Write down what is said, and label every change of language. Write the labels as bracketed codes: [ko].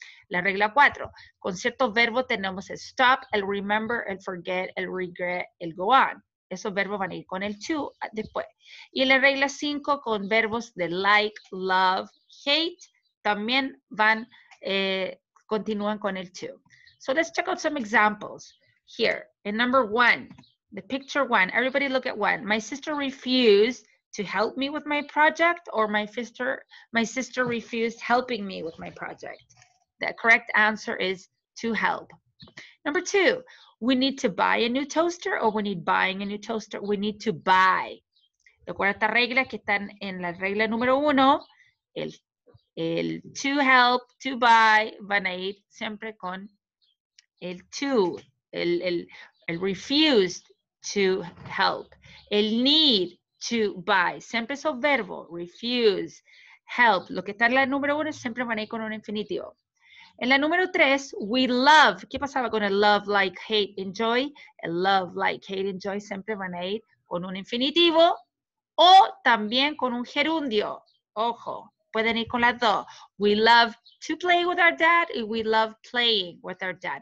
[es] La regla cuatro, con cierto verbo tenemos el stop, el remember, el forget, el regret, el go on. Esos verbos van a ir con el to después. Y la regla cinco, con verbos de like, love, hate, también van, continúan con el to. [en] So let's check out some examples here. In number one, the picture one, everybody look at one. My sister refused to help me with my project, or my sister refused helping me with my project. The correct answer is to help. Number two, we need to buy a new toaster, or we need buying a new toaster. We need to buy. [es] La cuarta regla que están en la regla número uno, el [en] to help, to buy, [es] van a ir siempre con el to, el refused to help. El need to buy, siempre esos verbos, refuse, help. Lo que está en la número uno siempre van a ir con un infinitivo. En la número tres, [en] we love. [es] ¿Qué pasaba con el love, like, hate, enjoy? El love, like, hate, enjoy siempre van a ir con un infinitivo o también con un gerundio. Ojo, pueden ir con las dos. [en] We love to play with our dad [es] y [en] we love playing with our dad.